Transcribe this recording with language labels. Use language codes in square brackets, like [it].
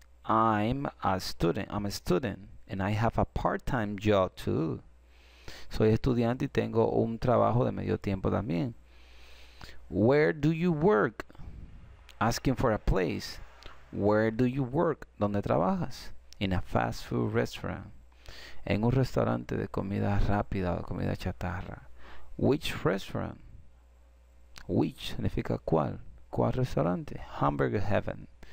[en] And I have a part-time job too. [es] Soy estudiante y tengo un trabajo de medio tiempo también. [en] Where do you work? Asking for a place. Where do you work? [es] ¿Dónde trabajas? [en] In a fast food restaurant. [es] En un restaurante de comida rápida o comida chatarra. [en] Which restaurant? [es] Which significa cuál. ¿Cuál restaurante? Hamburger Heaven.